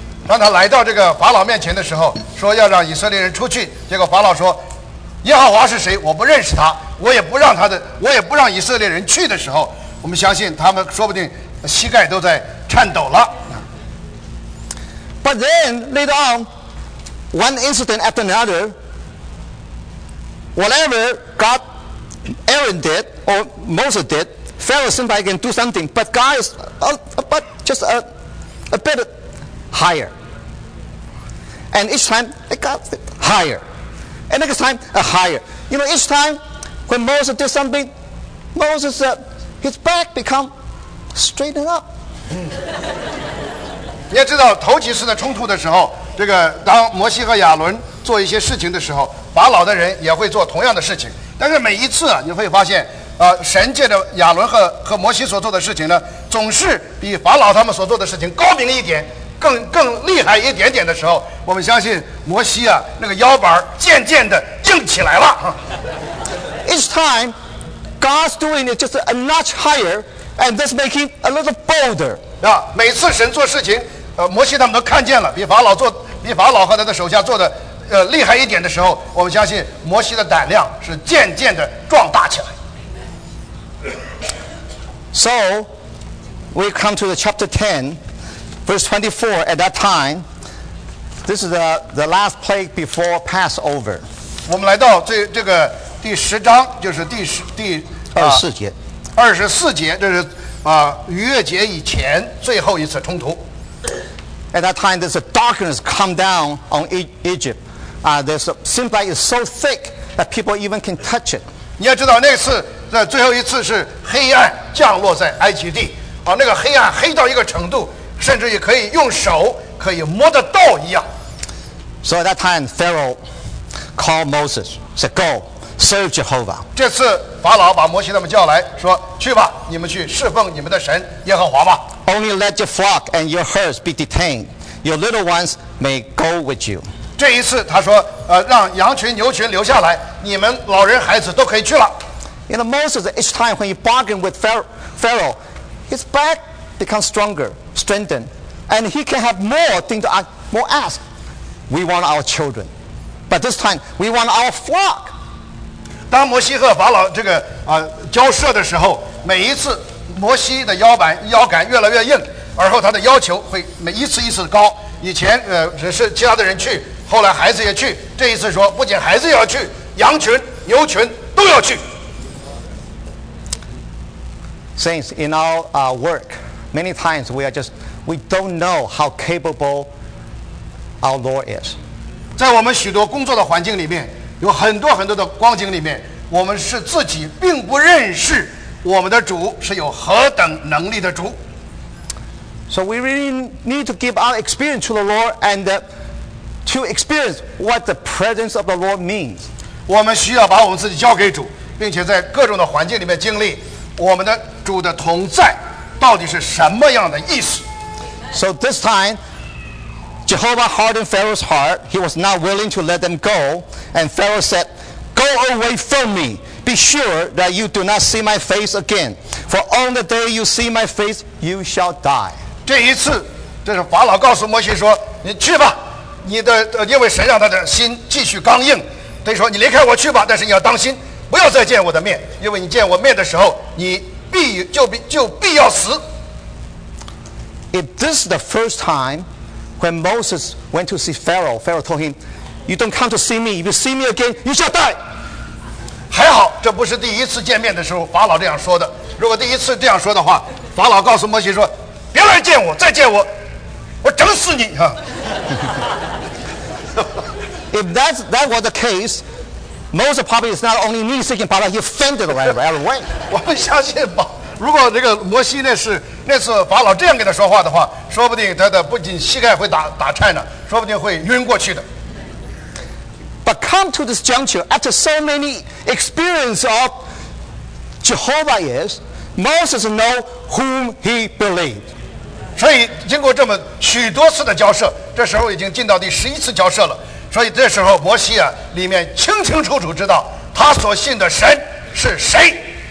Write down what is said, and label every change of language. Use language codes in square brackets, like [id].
[zh] 当他来到这个法老面前的时候，说要让以色列人出去，结果法老说，耶和华是谁？我不认识他，我也不让以色列人去的时候，我们相信他们说不定膝盖都在颤抖了。 [en] But then later on, one incident after another, whatever God, Aaron did or Moses did, Pharaoh seemed like he can do something, but God is just a bit higher. And each time, it got higher. And next time, a higher. You know, each time when Moses did something, Moses, his back become straightened up. [zh] 你要知道，头几次的冲突的时候，这个当摩西和亚伦做一些事情的时候，法老的人也会做同样的事情。但是每一次啊，你会发现，神借着亚伦和摩西所做的事情呢，总是比法老他们所做的事情高明一点。更厉害一点点的时候，我们相信摩西啊，那个腰板渐渐的硬起来了。 [en] Each time, God's doing it just a notch higher, and this making a little bolder. [zh] 啊，每次神做事情，摩西他们都看见了，比法老和他的手下做的，厉害一点的时候，我们相信摩西的胆量是渐渐的壮大起来。 [en] So, we come to the chapter 10. Verse 24, at that time, this is the last plague before Passover. [zh] 我们来到这个第十章，就是第二十四节。二十四节，这是逾越节以前最后一次冲突。 [en] At that time, there's a darkness come down on Egypt. There's seems like it's so thick that people even can touch it. [zh] 你要知道，那次那最后一次是黑暗降落在埃及地。啊，那个黑暗黑到一个程度，甚至也可以用手可以摸得到一样。 [en] So at that time, Pharaoh called Moses. Said, "Go serve Jehovah." [zh] 这次法老把摩西他们叫来说，去吧，你们去侍奉你们的神耶和华吧。 [en] Only let your flock and your herds be detained. Your little ones may go with you. [zh] 这一次他说，让羊群牛群留下来，你们老人孩子都可以去了。 [en] You know, Moses, each time when he bargained with Pharaoh, his back becomes stronger, strengthened, and he can have more thing to ask, more ask. We want our children, but this time we want our flock. [zh] 当摩西和法老这个交涉的时候，每一次摩西的腰杆越来越硬，而后他的要求会每一次一次高。以前只是其他的人去，后来孩子也去，这一次说不仅孩子也要去，羊群牛群都要去。 [en] Saints, in our work, many times we don't know how capable our Lord is. [zh] 在我们许多工作的环境里面，有很多很多的光景里面，我们是自己并不认识我们的主是有何等能力的主。 [en] So we really need to give our experience to the Lord and to experience what the presence of the Lord means. [zh] 我们需要把我们自己交给主，并且在各种的环境里面经历我们的主的同在到底是什么样的意思。 [en] So this time Jehovah hardened Pharaoh's heart. He was not willing to let them go. And Pharaoh said, Go away from me. Be sure that you do not see my face again. For on the day you see my face, you shall die. [zh] 这一次这是法老告诉摩西说，你去吧，你的因为神让他的心继续刚硬，所以说你离开我去吧，但是你要当心，不要再见我的面，因为你见我面的时候，你必要死。 [en] If this is the first time when Moses went to see Pharaoh, Pharaoh told him, "You don't come to see me. If you see me again, you shall die." [zh] 还好，这不是第一次见面的时候法老这样说的。如果第一次这样说的话，法老告诉摩西说，别来见我，再见我，我整死你啊！ [en] If that was the case. Moses probably is not only me seeking, but he offended everyone. [zh] 我们相信吧，如果这个摩西那次法老这样跟他说话的话，说不定他的不仅膝盖会打颤呢，说不定会晕过去的。 [en] But come to this juncture, after so many experience of Jehovah is, Moses know whom he believed. [zh] 所以经过这么许多次的交涉，这时候已经进到第十一次交涉了。所以这时候摩西啊，里面清清楚楚知道他所信的神是谁。